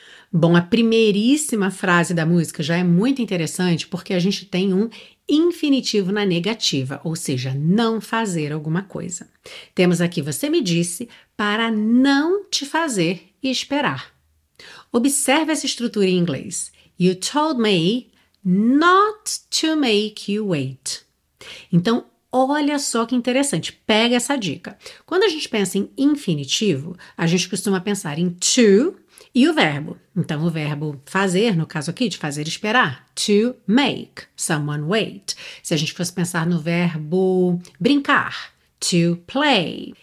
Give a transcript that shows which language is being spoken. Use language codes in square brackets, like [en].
[pt] Bom, a primeiríssima frase da música já é muito interessante porque a gente tem um infinitivo na negativa, ou seja, não fazer alguma coisa. Temos aqui, você me disse, para não te fazer esperar. Observe essa estrutura em inglês. [en] You told me not to make you wait. [pt] Então, olha só que interessante, pega essa dica. Quando a gente pensa em infinitivo, a gente costuma pensar em to e o verbo. Então, o verbo fazer, no caso aqui, de fazer esperar, [en] to make someone wait. [pt] Se a gente fosse pensar no verbo brincar, to play.